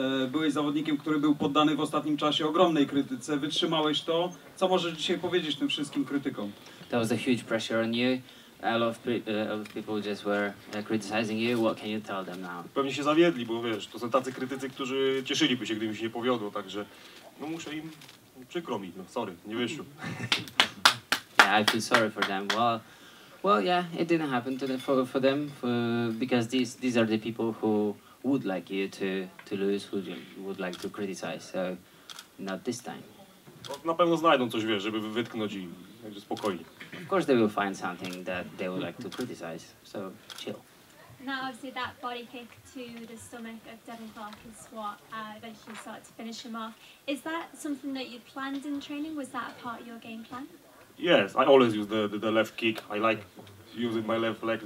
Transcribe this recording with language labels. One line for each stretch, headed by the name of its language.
Polish: Byłeś zawodnikiem, który był poddany w ostatnim czasie ogromnej krytyce. Wytrzymałeś to. Co możesz dzisiaj powiedzieć tym wszystkim krytykom?
English: To was a huge pressure on you. A lot of people just were criticizing you. What can you tell them now?
Polish: Pewnie się zawiedli, bo wiesz, to są tacy krytycy, którzy cieszyliby się, gdyby się nie powiodło, także no muszę im, przykro mi, no sorry, nie wyszło.
English: Yeah, I feel sorry for them. Well, yeah, it didn't happen to them for them, because these are the people who would like you to lose, who would like to criticize. So not this time.
Polish: No, na pewno znajdą coś, wiesz, żeby wytknąć i także spokojnie.
English: Of course they will find something that they would like to criticize, so chill. Now obviously that body kick to the stomach of Devin Clark is what eventually started to finish him off. Is that something that you planned in training? Was that a part of your game plan? Yes, I always use the left kick. I like using my left leg.